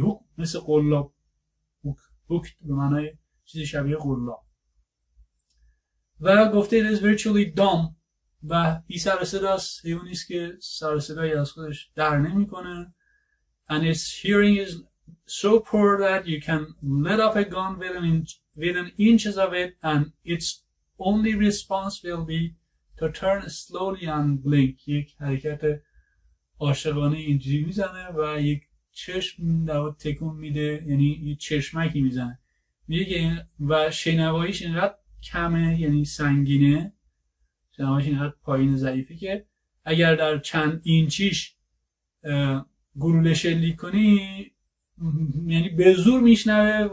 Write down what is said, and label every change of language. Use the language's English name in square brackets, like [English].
[Persian] هوک مثل قلاب، هوکد به معنای چیزی شبیه قلاب. و گفته [English] it is virtually dumb [Persian] و بی سر و صدا است، حیوانیست که سر و صدایی از خودش در نمی کنه. [English] And its hearing is so poor that you can let off a gun within inches of it and its only response will be to turn slowly and blink. [Persian] یک حرکت عاشقانه اینجوری میزنه و یک چشم دو تکون میده، یعنی یک چشمکی میزنه میگه. و شنواییش اینقدر کمه، یعنی سنگینه، شنواییش اینقدر پایین ضعیفه که اگر در چند اینچیش گلوله شلیک کنی یعنی به زور میشنوه.